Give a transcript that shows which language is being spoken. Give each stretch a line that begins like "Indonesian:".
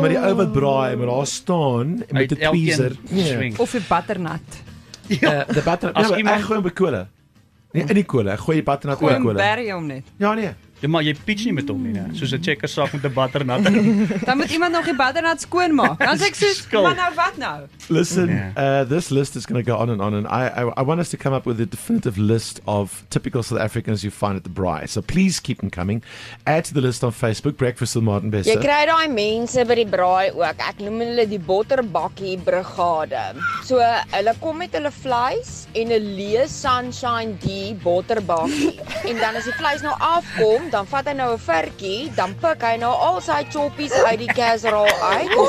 Afrikaans: Maar die ou wat braai, maar daar staan met 'n tweezer of 'n butternut. Die butternut. Ek gooi hom by kole. Nee, in die kole. Ek gooi die butternut in die kole. Gooi hom net. Ja, nee. Ja, maar jy pitch nie met hom nie, soos 'n checker sak met 'n butternut. Dan moet iemand nog die butternut skoon maak. Dan sê ek soos, maar nou wat nou?
English: Listen, this list is going to go on and on, and I want us to come up with a definitive list of typical South Africans you find at the braai. So please keep them coming. Add to the list on Facebook, Breakfast with Martin Besser.
Afrikaans: Jy kry daai mense by die braai ook. Ek noem hulle die botterbakkie brigade. So hulle kom met hulle vleis en 'n Lee Sunshine D botterbakkie. En dan as die vleis nou afkom, dan vat hy nou 'n virkie, dan pik hy nou al sy choppies uit die casserole uit.